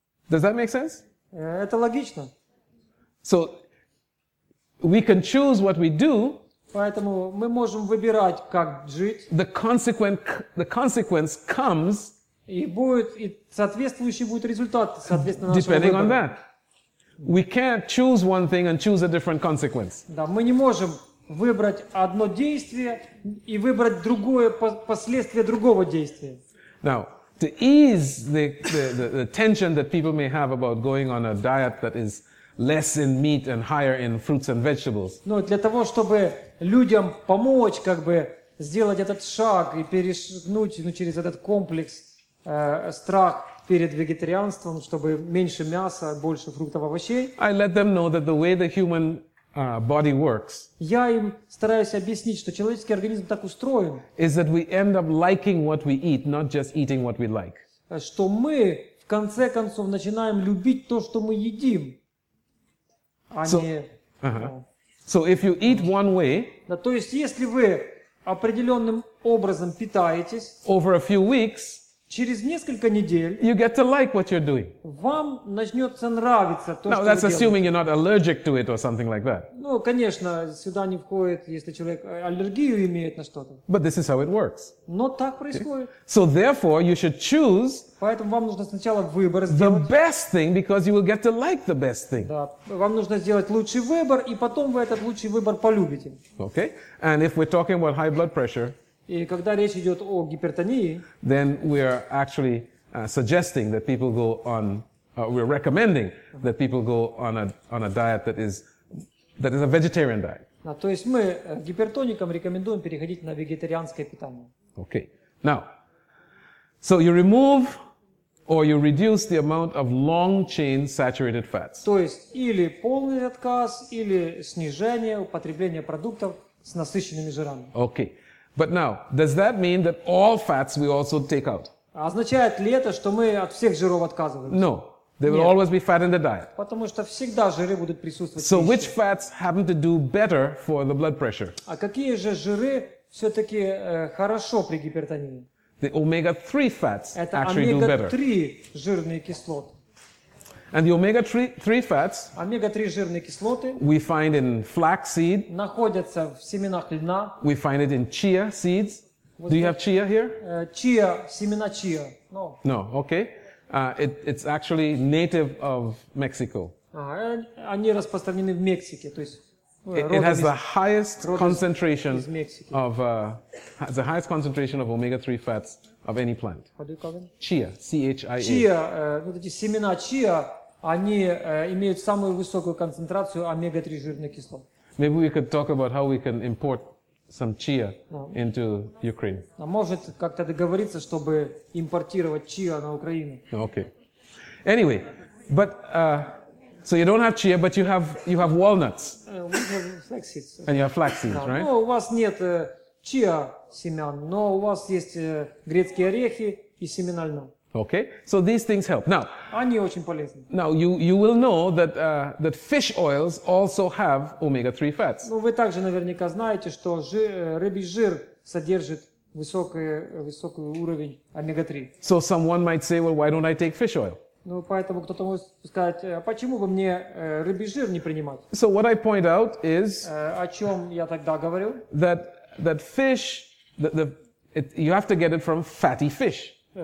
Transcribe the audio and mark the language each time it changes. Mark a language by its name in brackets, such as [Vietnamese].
[English] Does that make sense? [Russian] Это логично. [English] So, we can choose what we do. [Russian] Поэтому мы можем выбирать, как жить. [English] The consequence comes. [Russian] И будет, и соответствующий будет результат, соответственно, нашего [English] Depending [Russian] выбора. [English] On that. We can't choose one thing and choose a different consequence. [Russian] Да, мы не можем выбрать одно действие и выбрать другое последствие другого действия. [English] Now, to ease the tension that people may have about going on a diet that is less in meat and higher in fruits and vegetables. [Russian] Ну, для того, чтобы людям помочь, как бы, сделать этот шаг и перешагнуть, ну, через этот комплекс, страх перед вегетарианством, чтобы меньше мяса, больше фруктов, овощей. [English] I let them know that the way the human body works. [Russian] Я им стараюсь объяснить, что человеческий организм так устроен. [English] Is that we end up liking what we eat, not just eating what we like. [Russian] Что мы в конце концов начинаем любить то, что мы едим, а [English] so, [Russian] не. [English] So if you eat one way. [Russian] Да, то есть если вы определенным образом питаетесь. [English] Over a few weeks. [Russian] Через несколько недель [English] you get to like what you're doing. [Russian] Вам начнется нравиться то, [English] Now, [Russian] что [English] that's [Russian] вы [English] assuming [Russian] делаете. [English] You're not allergic to it or something like that. [Russian] Ну, конечно, сюда не входит, если человек аллергию имеет на что-то. [English] But this is how it works. [Russian] Но так происходит. [English] Okay. So therefore, you should choose. [Russian] Поэтому вам нужно сначала выбор сделать. [English] The best thing, because you will get to like the best thing. [Russian] Да, вам нужно сделать лучший выбор, и потом вы этот лучший выбор полюбите. [English] Okay. And if we're talking about high blood pressure. [Russian] И когда речь идет о гипертонии, [English] then we are actually suggesting that people go on, we're recommending that people go on a diet that is a vegetarian diet. [Russian] Да, то есть мы гипертоникам рекомендуем переходить на вегетарианское питание. [English] Okay. Now, so you remove or you reduce the amount of long-chain saturated fats. [Russian] То есть или полный отказ, или снижение употребления продуктов с насыщенными жирами. [English] Okay. But now, does that mean that all fats we also take out? [Russian] Означает ли это, что мы от всех жиров отказываемся? [English] No. There will [Russian] Нет. [English] always be fat in the diet. [Russian] Потому что всегда жиры будут присутствовать. [English] So which fats happen to do better for the blood pressure? [Russian] А какие же жиры все-таки хорошо при гипертонии? [English] The omega-3 fats [Russian] это [English] actually [Russian] омега-3 [English] do better. [Russian] Омега-3 жирные кислоты. [English] And the omega-3 fats [Russian] Омега-3 жирные кислоты [English] we find in flax seed. [Russian] Находятся в семенах льна. [English] We find it in chia seeds. [Russian] Вот [English] Do you have chia here? [Russian] Chia, семена chia. [English] No. No, okay. It's actually native of Mexico. [Russian] Они распространены в Мексике. То есть, [English] it has the highest concentration of the highest concentration of omega-3 fats of any plant. How do you call them? Chia, C-H-I-A. [Russian] Chia, вот эти семена chia, они имеют самую высокую концентрацию омега-3 жирных кислот. [English] Maybe we could talk about how we can import some chia into Ukraine. [Russian] А может как-то договориться, чтобы импортировать chia на Украину? [English] Okay. Anyway, but so you don't have chia, but you have walnuts. We have flax seeds. And you have flax seeds, right? [Russian] Ну, у вас нет chia семян, но у вас есть грецкие орехи и семена льна. [English] Okay, so these things help. Now, [Russian] они очень полезны. [English] Now you will know that that fish oils also have omega-3 fats. [Russian] Ну вы также наверняка знаете, что рыбий жир содержит высокий уровень омега-3. [English] So someone might say, well, why don't I take fish oil? [Russian] Ну поэтому кто-то может сказать, почему бы мне рыбий жир не принимать? [English] So what I point out is [Russian] о чем я тогда говорил? [English] That fish you have to get it from fatty fish.